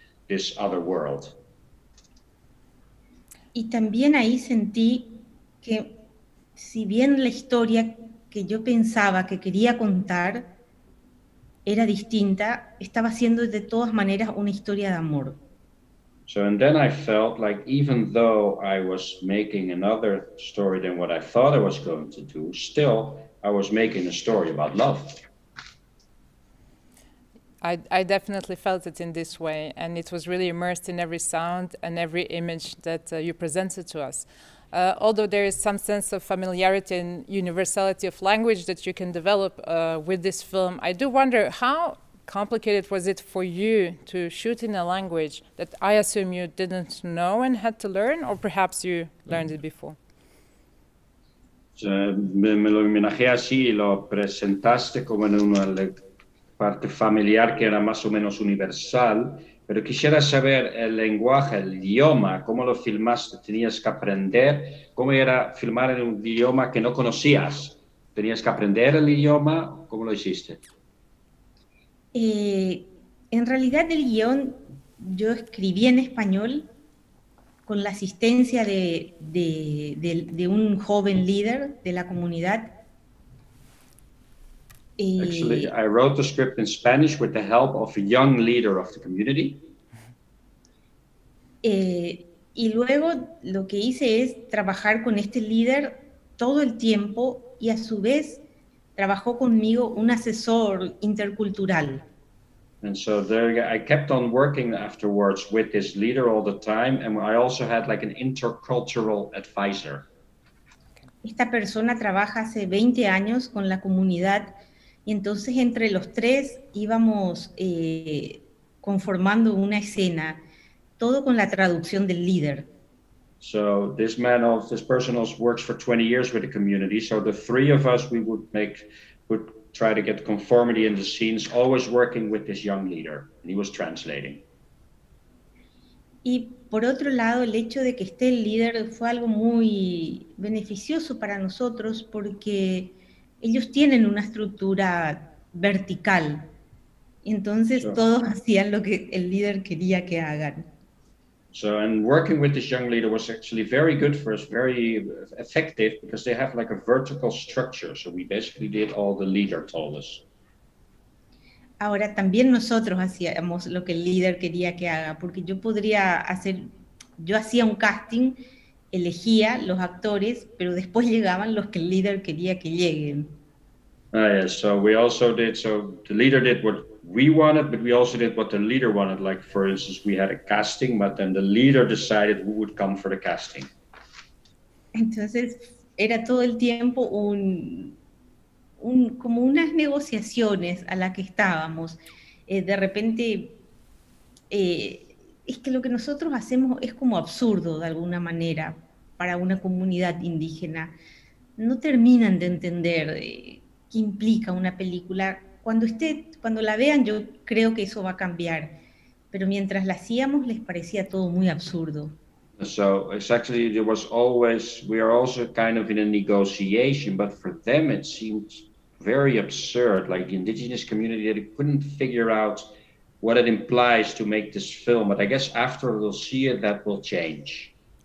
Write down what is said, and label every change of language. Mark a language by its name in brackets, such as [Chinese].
[English] this other world. [Spanish] Y también ahí sentí que si bien la historia que yo pensaba que quería contar era distinta, estaba siendo de todas maneras una historia de amor. [English] So, and then I felt like even though I was making another story than what I thought I was going to do, still I was making a story about love. I definitely felt it in this way, and it was really immersed in every sound and every image that you presented to us. Although there is some sense of familiarity and universality of language that you can develop with this film, I do wonder how complicated was it for you to shoot in a language that I assume you didn't know and had to learn, or perhaps you learned it before? [Spanish] Me lo imaginé así, lo presentaste como en una parte familiar que era más o menos universal, pero quisiera saber el lenguaje, el idioma, cómo lo filmaste, tenías que aprender, cómo era filmar en un idioma que no conocías, tenías que aprender el idioma, ¿cómo lo hiciste? En realidad el guión yo escribí en español con la asistencia de un joven líder de la comunidad. [English] Actually, I wrote the script in Spanish with the help of a young leader of the community. [Spanish] Y luego lo que hice es trabajar con este líder todo el tiempo y a su vez trabajó conmigo un asesor intercultural. [English] And so there I kept on working afterwards with this leader all the time, and I also had like an intercultural advisor. [Spanish] Esta persona trabaja hace 20 años con la comunidad, y entonces entre los tres íbamos conformando una escena, todo con la traducción del líder. [English] So this man of this person also works for 20 years with the community, so the three of us we would make would try to get conformity in the scenes, always working with this young leader, and he was translating. [Spanish] Y por otro lado, el hecho de que esté el líder fue algo muy beneficioso para nosotros porque ellos tienen una estructura vertical. Entonces, sure, todos hacían lo que el líder quería que hagan. [English] So, and working with this young leader was actually very good for us, very effective, because they have like a vertical structure. So we basically did all the leader told us. [Spanish] Ahora, también nosotros hacíamos lo que el líder quería que haga, porque yo podría hacer, yo hacía un casting, elegía los actores, pero después llegaban los que el líder quería que lleguen. [English] So we also did, so the leader did what we wanted, but we also did what the leader wanted. Like, for instance, we had a casting, but then the leader decided who would come for the casting. [Spanish] Entonces, era todo el tiempo como unas negociaciones a las que estábamos. De repente, es que lo que nosotros hacemos es como absurdo de alguna manera para una comunidad indígena. No terminan de entender qué implica una película. Cuando la vean, yo creo que eso va a cambiar. Pero mientras la hacíamos, les parecía todo muy absurdo. [English] So, it's actually, there was always, we are also kind of in a negotiation, but for them it seemed very absurd. Like the indigenous community, they couldn't figure out what it implies to make this film. But I guess after we'll see it, that will change.